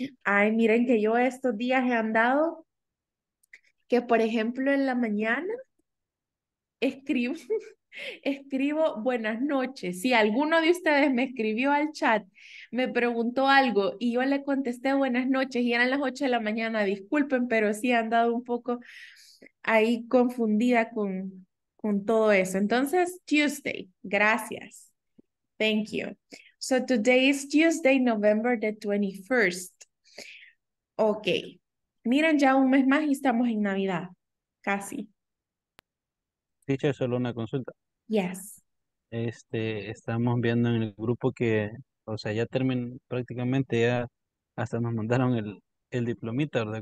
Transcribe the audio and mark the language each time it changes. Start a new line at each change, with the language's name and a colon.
Spanish: Ay, miren que yo estos días he andado que, por ejemplo, en la mañana escribo, escribo buenas noches. Si alguno de ustedes me escribió al chat, me preguntó algo y yo le contesté buenas noches y eran las 8 de la mañana, disculpen, pero sí he andado un poco ahí confundida con todo eso.
English: Entonces, Tuesday, gracias. Thank you. So today is Tuesday, November the 21st. Ok.
Spanish: Miren, ya un mes más y estamos en Navidad. Casi. Ficha, solo una consulta.
English: Yes.
Spanish: Estamos viendo en el grupo que, o sea, ya terminó prácticamente, ya hasta nos mandaron el diplomita, ¿verdad?